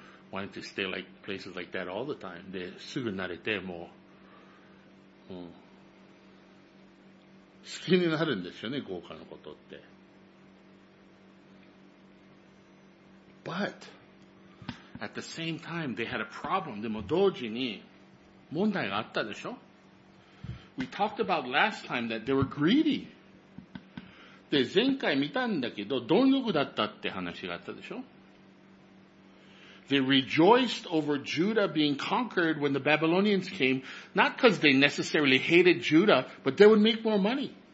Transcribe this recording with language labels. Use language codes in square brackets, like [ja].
[en] wanted to stay like places like that all the time. [ja] で、すぐ慣れて、もう、うん、好きになるんですよね、豪華なことって。 [en] But, at the same time, they had a problem. [ja] でも同時に問題があったでしょ? [en] We talked about last time that they were greedy. [ja] で、前回見たんだけど、貪欲だったって話があったでしょ? [en] They rejoiced over Judah being conquered when the Babylonians came, not because they necessarily hated Judah, but they would make more money.